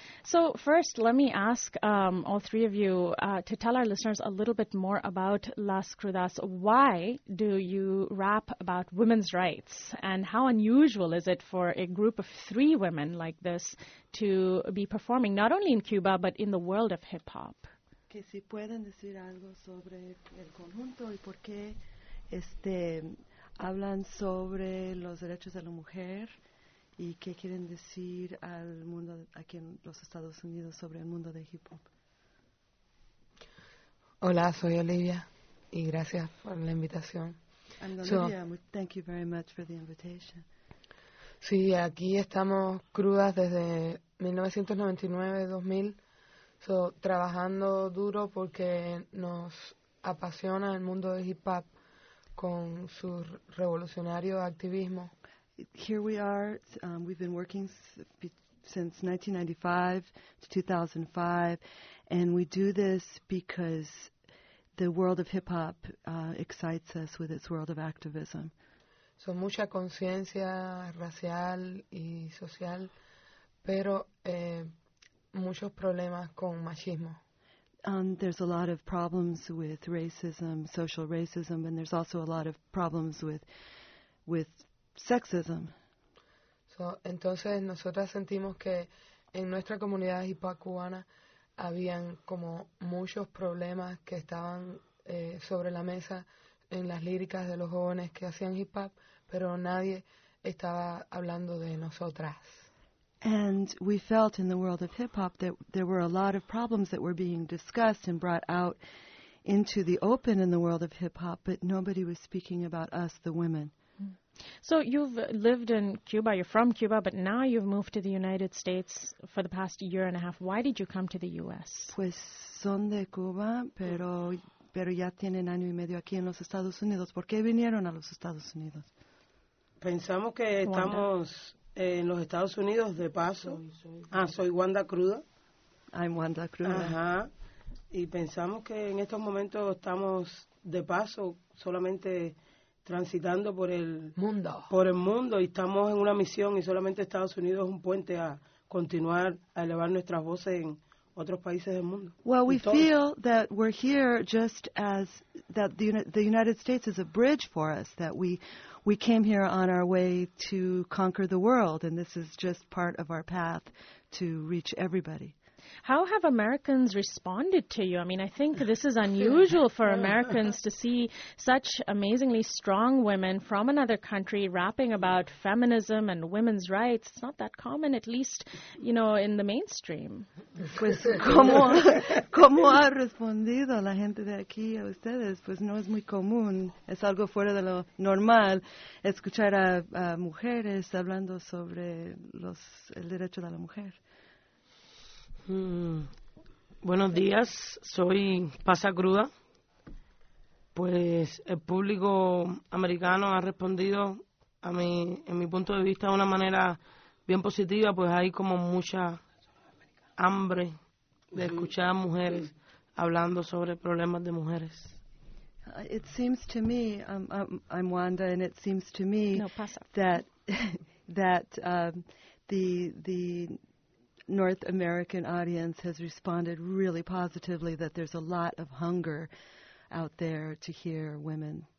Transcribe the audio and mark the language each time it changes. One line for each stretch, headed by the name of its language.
English: So first, let me ask all three of you to tell our listeners a little bit more about Las Crudas. Why do you rap about women's rights? And how unusual is it for a group of three women like this to be performing not only in Cuba, but in the world of hip-hop?
Spanish: Que si pueden decir algo sobre el conjunto y por qué hablan sobre los derechos de la mujer y qué quieren decir al mundo aquí en los Estados Unidos sobre el mundo de hip hop. Hola, soy Olivia y gracias por la invitación.
English: Olivia, thank you very much for the invitation.
Spanish: Sí, aquí estamos crudas desde 1999-2000, trabajando duro porque nos apasiona el mundo de hip hop. Con su revolucionario activismo.
English: Here we are. We've been working since 1995 to 2005, and we do this because the world of hip hop excites us with its world of activism.
Spanish: So mucha conciencia racial y social, pero muchos problemas con machismo.
English: There's a lot of problems with racism, social racism, and there's also a lot of problems with sexism.
Spanish: So, entonces, nosotras sentimos que en nuestra comunidad hip-hop cubana habían como muchos problemas que estaban sobre la mesa en las líricas de los jóvenes que hacían hip-hop, pero nadie estaba hablando de nosotras.
English: And we felt in the world of hip-hop that there were a lot of problems that were being discussed and brought out into the open in the world of hip-hop, but nobody was speaking about us, the women. So you've lived in Cuba, you're from Cuba, but now you've moved to the United States for the past year and a half. Why did you come to the U.S.?
Spanish: Pues son de Cuba, pero ya tienen año y medio aquí en los Estados Unidos. ¿Por qué vinieron a los Estados Unidos? Pensamos que estamos... En los Estados Unidos, de paso. Soy Wanda Cruda.
English: I'm Wanda Cruda. Ajá.
Spanish: Y pensamos que en estos momentos estamos de paso, solamente transitando por el mundo. Por el mundo. Y estamos en una misión y solamente Estados Unidos es un puente a continuar a elevar nuestras voces en otros países del mundo.
English: Well, we feel that we're here just as that the United States is a bridge for us, that we came here on our way to conquer the world, and this is just part of our path to reach everybody. How have Americans responded to you? I mean, I think this is unusual for Americans to see such amazingly strong women from another country rapping about feminism and women's rights. It's not that common, at least, you know, in the mainstream.
Spanish: Pues, ¿cómo ha respondido la gente de aquí a ustedes? Pues no es muy común, es algo fuera de lo normal, escuchar a mujeres hablando sobre el derecho de la mujer. Buenos días, soy Pasa Cruda. Pues el público americano ha respondido en mi punto de vista de una manera bien positiva, pues hay como mucha hambre de escuchar a mujeres hablando sobre problemas de mujeres.
English: It seems to me, I'm Wanda, and it seems to me the North American audience has responded really positively that there's a lot of hunger out there to hear women